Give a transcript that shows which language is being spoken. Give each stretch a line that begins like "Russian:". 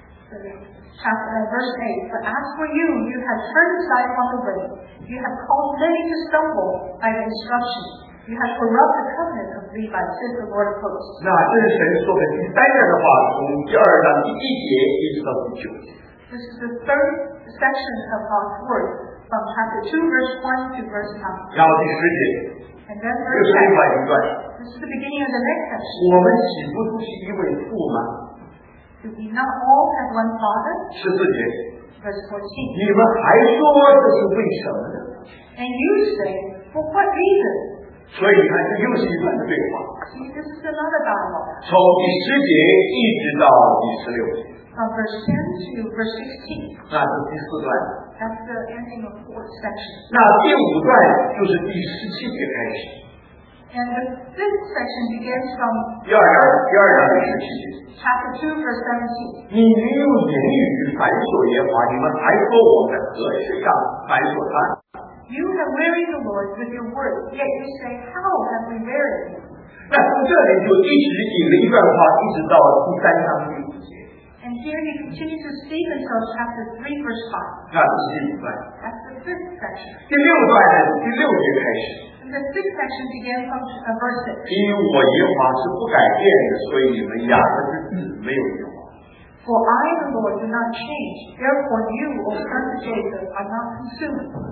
Chinese: 你们却偏离正道，是许多人在律法上跌倒。你们背弃了我与立位所立的约，这是万军之耶和华。
English: Chapter verse 8. But as for you, you have turned aside from the way. You have caused many to stumble by the instruction. You have corrupted the covenant of Levi, says the Lord of hosts.
Chinese: 那这是神说的第三段的话，从第二章第一节一直到第九节。
English: This is the third section of God's word. From chapter 2, verse 1 to verse 9.
Chinese: 然后第十节,
English: and then verse 10. This is the beginning of the next section.
Chinese: 我们岂不都是一位父吗?
English: Do we not all have one father?
Chinese: 十四节,
English: verse 14.
Chinese: 你们还说这是为什么呢?
English: And you say, for what reason?
Chinese: 所以你看这又是一段对话。
English: See, this is another dialogue.
Chinese: 从第十节一直到第十六节。
English: From verse 10 to verse 16.
Chinese: 那是第四段。
English: That's the ending of fourth section.
Chinese: 那第五段就是第十七节开始。
English: And the fifth section begins from
Chinese: 第二章第十七节。
English: Chapter 2, verse 17.
Chinese: 你没有言语反锁耶和华，你们还说我们的何事上反锁他？
English: You have wearied the Lord with your word, yet you say, how have we wearied him?
Chinese: 那从这里就一直引了一段话，一直到第三章第五节。
English: And here he continues to speak until chapter 3, verse 5.
Chinese: 那是第五段。
English: That's the fifth section.
Chinese: 第六段是第六节开始。
English: And the fifth section began from verse 6.
Chinese: 因为我耶和华是不改变的，所以你们雅各的子没有耶和华。
English: For I, the Lord, do not change. Therefore, you, O son of Jacob, are not consumed.